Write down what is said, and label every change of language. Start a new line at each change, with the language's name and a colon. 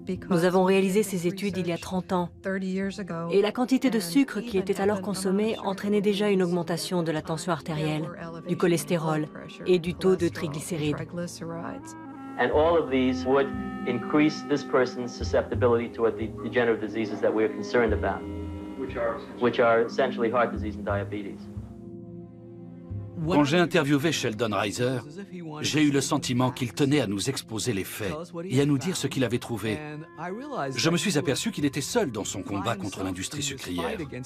French: Nous avons réalisé ces études il y a 30 ans, et la quantité de sucre qui était alors consommée entraînait déjà une augmentation de la tension artérielle, du cholestérol et du taux de triglycérides.
English: And all of these would increase this person's susceptibility to the degenerative diseases that we are concerned about, which are essentially heart disease and diabetes.
French: Quand j'ai interviewé Sheldon Reiser, j'ai eu le sentiment qu'il tenait à nous exposer les faits et à nous dire ce qu'il avait trouvé. Je me suis aperçu qu'il était seul dans son combat contre l'industrie sucrière.